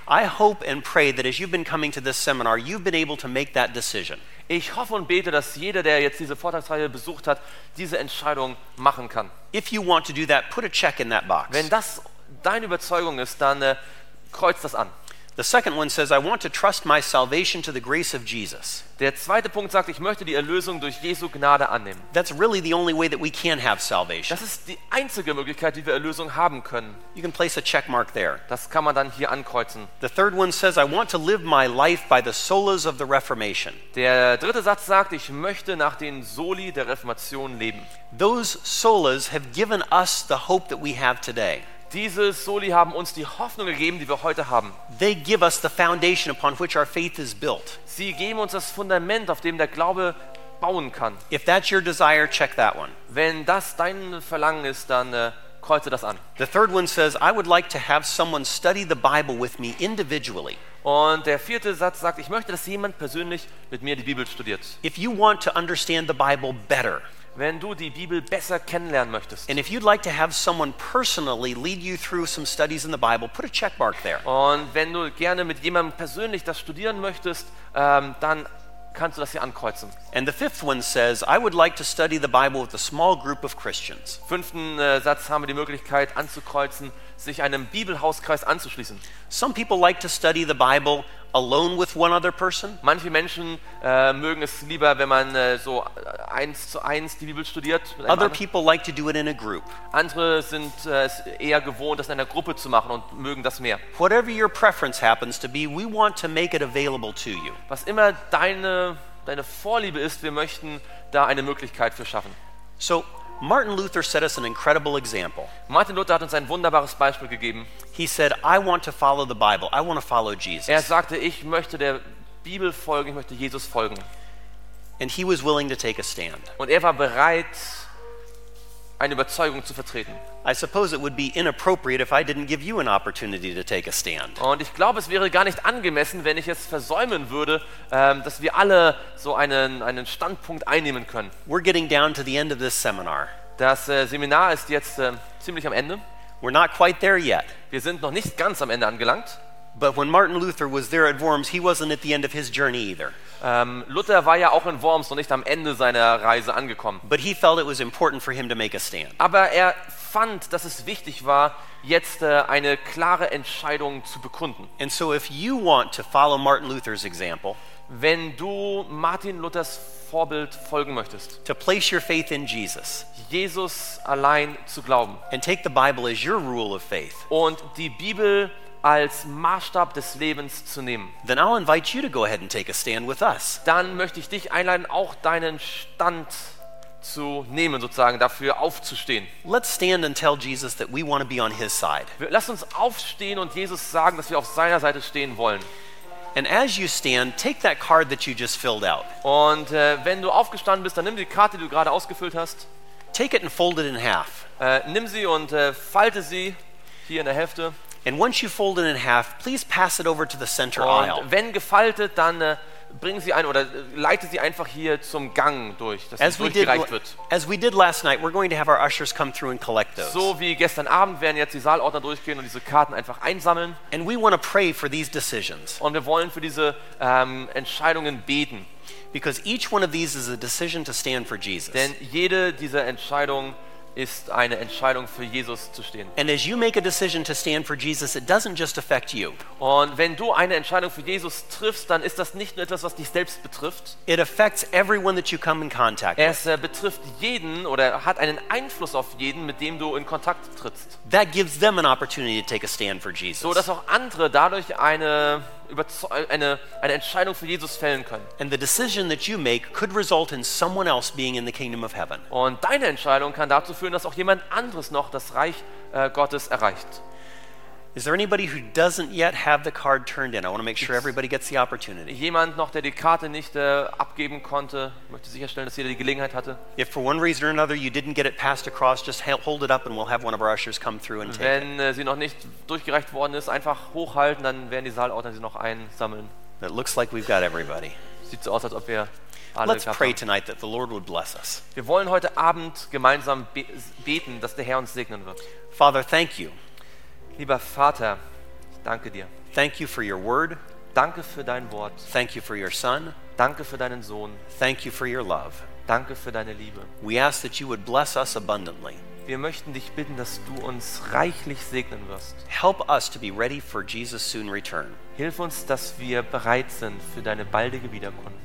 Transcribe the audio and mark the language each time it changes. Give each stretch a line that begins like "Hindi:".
English: I hope and pray that as you've been coming to this seminar, you've been able to make that decision.
German: Ich hoffe und bete, dass jeder, der jetzt diese Vortragsreihe besucht hat, diese Entscheidung machen kann.
English: If you want to do that, put a check in that box.
German: Wenn das deine Überzeugung ist, dann kreuz das an.
English: The second one says, I want to trust my salvation to the grace of Jesus.
German: Der zweite Punkt sagt, ich möchte die Erlösung durch Jesu Gnade annehmen.
English: That's really the only way that we can have salvation.
German: Das ist die einzige Möglichkeit, wie wir Erlösung haben können.
English: You can place a check mark there.
German: Das kann man dann hier ankreuzen.
English: The third one says, I want to live my life by the solas of the Reformation.
German: Der dritte Satz sagt, ich möchte nach den Soli der Reformation leben.
English: Those solas have given us the hope that we have today.
German: Diese Soli haben uns die Hoffnung gegeben, die wir heute haben.
English: They give us the foundation upon which our faith is built.
German: Sie geben uns das Fundament, auf dem der Glaube bauen kann.
English: If that's your desire, check that one.
German: Wenn das dein Verlangen ist, dann kreuze das an.
English: The third one says, I would like to have someone study the Bible with me individually.
German: Und der vierte Satz sagt, ich möchte, dass jemand persönlich mit mir die Bibel studiert.
English: If you want to understand the Bible better,
German: wenn du die Bibel besser kennenlernen möchtest.
English: And if you'd like to have someone personally lead you through some studies in the Bible, put a check mark there.
German: Und wenn du gerne mit jemandem persönlich das studieren möchtest, dann kannst du das hier ankreuzen.
English: And the fifth one says, I would like to study the Bible with a small group of Christians.
German: Fünften Satz haben wir die Möglichkeit anzukreuzen, sich einem Bibelhauskreis anzuschließen.
English: Some people like to study the Bible alone with one other person.
German: Manche Menschen mögen es lieber, wenn man so eins zu eins die Bibel studiert.
English: Other people like to do it in a group.
German: Andere sind es eher gewohnt, das in einer Gruppe zu machen und mögen das mehr.
English: Whatever your preference happens to be, we want to make it available to you.
German: Was immer deine Vorliebe ist, wir möchten da eine Möglichkeit für schaffen.
English: So Martin Luther set us an incredible example.
German: Martin Luther hat uns ein wunderbares Beispiel gegeben.
English: He said, I want to follow the Bible. I want to follow Jesus.
German: Er sagte, ich möchte der Bibel folgen, ich möchte Jesus folgen.
English: And he was willing to take a stand.
German: Und er war bereit, eine Überzeugung zu vertreten.
English: I suppose it would be inappropriate if I didn't give you an opportunity to take a stand.
German: Und ich glaube, es wäre gar nicht angemessen, wenn ich es versäumen würde, dass wir alle so einen Standpunkt einnehmen können.
English: We're getting down to the end of this seminar.
German: Das Seminar ist jetzt ziemlich am Ende.
English: We're not quite there yet.
German: Wir sind noch nicht ganz am Ende angelangt.
English: But when Martin Luther was there at Worms, he wasn't at the end of his journey either.
German: Luther war ja auch in Worms noch nicht am Ende seiner Reise angekommen.
English: But he felt it was important for him to make a stand.
German: Aber er fand, dass es wichtig war, jetzt eine klare Entscheidung zu bekunden.
English: And so if you want to follow Martin Luther's example,
German: wenn du Martin Luthers Vorbild folgen möchtest,
English: to place your faith in Jesus,
German: Jesus allein zu glauben,
English: and take the Bible as your rule of faith,
German: und die Bibel als Maßstab des Lebens zu nehmen.
English: Then I'll invite you to go ahead and take a stand with us.
German: Dann möchte ich dich einladen, auch deinen Stand zu nehmen, sozusagen dafür aufzustehen.
English: Let's stand and tell Jesus that we want to be on his side.
German: Lass uns aufstehen und Jesus sagen, dass wir auf seiner Seite stehen wollen.
English: And as you stand, take that card that you just filled out.
German: Und wenn du aufgestanden bist, dann nimm die Karte, die du gerade ausgefüllt hast.
English: Take it and fold it in half.
German: Nimm sie und falte sie hier in der Hälfte.
English: And once you fold it in half, please pass it over to the center aisle.
German: Und wenn gefaltet, dann bring sie ein oder leite sie einfach hier zum Gang durch, dass sie durchgereicht wird.
English: As we did last night, we're going to have our ushers come through and collect those.
German: So wie gestern Abend werden jetzt die Saalordner durchgehen und diese Karten einfach einsammeln.
English: And we want to pray for these decisions.
German: Und wir wollen für diese Entscheidungen beten.
English: Because each one of these is a decision to stand for Jesus.
German: Denn jede dieser Entscheidungen ist eine Entscheidung für Jesus zu stehen.
English: And as you make a decision to stand for Jesus, it doesn't just affect you.
German: Und wenn du eine Entscheidung für Jesus triffst, dann ist das nicht nur etwas, was dich selbst betrifft.
English: It affects everyone that you come in contact with.
German: Es betrifft jeden oder hat einen Einfluss auf jeden, mit dem du in Kontakt trittst.
English: That gives them an opportunity to take a stand for Jesus.
German: So dass auch andere dadurch eine Entscheidung für Jesus fällen können.
English: And the decision that you make could result in someone else being in the kingdom of heaven.
German: Und deine Entscheidung kann dazu führen, dass auch jemand anderes noch das Reich Gottes erreicht.
English: Is there anybody who doesn't yet have the card turned in? I want to make sure everybody gets the opportunity.
German: Jemand noch, der die Karte nicht abgeben konnte, möchte sicherstellen, dass jeder die Gelegenheit hatte.
English: If for one reason or another you didn't get it passed across, just hold it up and we'll have one of our ushers come through and take it.
German: Wenn sie noch nicht durchgereicht worden ist, einfach hochhalten, dann werden die Saalordner sie noch einsammeln.
English: It looks like we've got everybody.
German: Sieht so aus, als ob wir alle.
English: Let's pray tonight that the Lord would bless us.
German: Wir wollen heute Abend gemeinsam beten, dass der Herr uns segnen wird.
English: Father, thank you.
German: Lieber Vater, ich danke dir.
English: Thank you for your word.
German: Danke für dein Wort.
English: Thank you for your son.
German: Danke für deinen Sohn.
English: Thank you for your love.
German: Danke für deine Liebe.
English: We ask that you would bless us abundantly.
German: Wir möchten dich bitten, dass du uns reichlich segnen wirst.
English: Help us to be ready for Jesus' soon return.
German: Hilf uns, dass wir bereit sind für deine baldige Wiederkunft.